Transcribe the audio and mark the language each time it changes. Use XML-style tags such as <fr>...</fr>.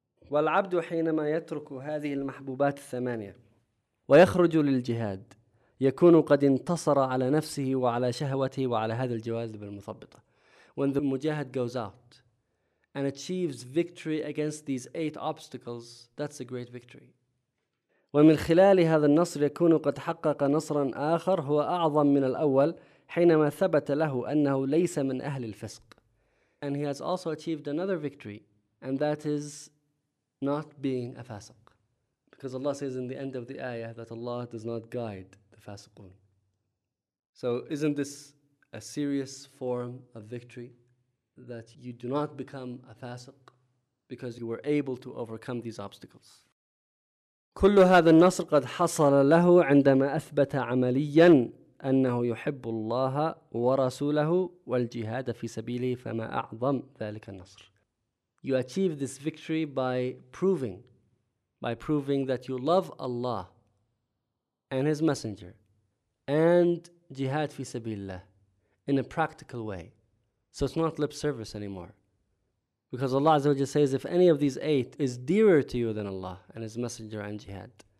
<ar>وَالْعَبْدُ حِينَمَا يَتْرُكُ هَذِهِ الْمَحْبُوبَاتِ الثَّمَانِيَةِ وَيَخْرُجُ لِلْجِهَادِ يَكُونُ قَدْ انْتَصَرَ عَلَى نَفْسِهِ وَعَلَى شَهْوَتِهِ وَعَلَى هَذِهِ الْجِوَادِ بِالْمُثَبِّطَةِ.</ar> <en>When the mujahid goes out and achieves victory against these eight obstacles, that's a great victory.</en> <ar>وَمِنْ خِلَالِ هَذَا النَّصْرِ يَكُونُ قَدْ حَقَّقَ نَصْرًا آخَرَ هُوَ أَعْظَمْ مِنَ الْأَوَّلِ حينما ثبت له أنه ليس من أهل الفسق.</ar> <en>And he has also achieved another victory, and that is not being a fasiq. Because Allah says in the end of the ayah that Allah does not guide the fasiqun. So isn't this a serious form of victory? That you do not become a fasiq because you were able to overcome these obstacles.</en> <ar>كل هذا النصر قد حصل له عندما أثبت عملياً أنه يحب الله ورسوله والجهاد في سبيله فما أعظم ذلك النصر.</ar> <en>You achieve this victory by proving that you love Allah and His Messenger and jihad</en> <ar>في سبيل الله</ar> <en>in a practical way. So it's not lip service anymore. Because Allah Azza wa Jalla says if any of these eight is dearer to you than Allah and His Messenger and jihad.</en>